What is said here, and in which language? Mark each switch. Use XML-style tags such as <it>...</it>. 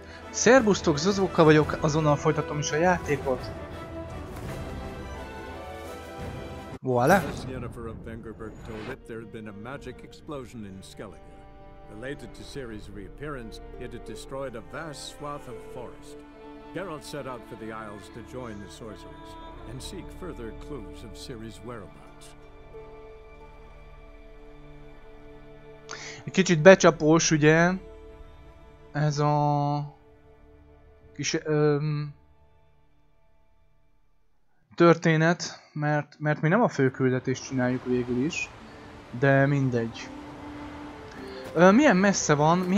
<hu>Szerbusztok, Zozóka vagyok, azonnal folytatom is a játékot.</hu> <fr>Voilà.</fr> <en>Jennifer of Vengerberg told it there had been a magic explosion in Skellige. Related to Ciri's reappearance, it had destroyed a vast swath of forest. Geralt set out for the Isles to join the sorcerers and seek further clues of Ciri's whereabouts.</en> <hu>Egy kicsit becsapós, ugye? Ez a... kis... történet, mert mi nem a fő küldetést csináljuk végül is, de mindegy. Milyen messze van?</hu>